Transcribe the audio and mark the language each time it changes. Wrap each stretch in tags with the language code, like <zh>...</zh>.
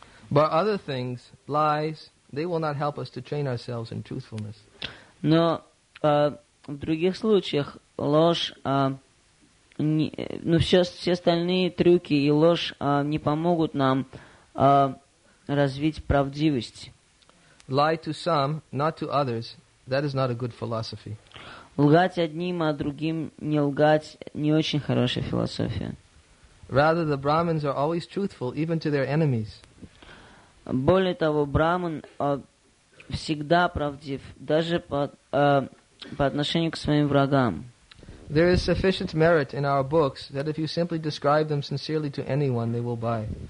<en>But other things, lies, they will not help us to train ourselves in truthfulness.</en> <ru>Но в других случаях ложь, все остальные трюки и ложь не помогут нам развить правдивость.</ru> <en>Lie to some, not to others, that is not a good philosophy.</en> <ru>Лгать одним, а другим не лгать – не очень хорошая философия.</ru> <en>Rather, the Brahmins are always truthful, even to their enemies.</en> <ru>Более того, Брахман всегда правдив, даже по отношению к своим врагам.</ru> <en>There is sufficient merit in our books that if you simply describe them sincerely to anyone, they will buy.</en>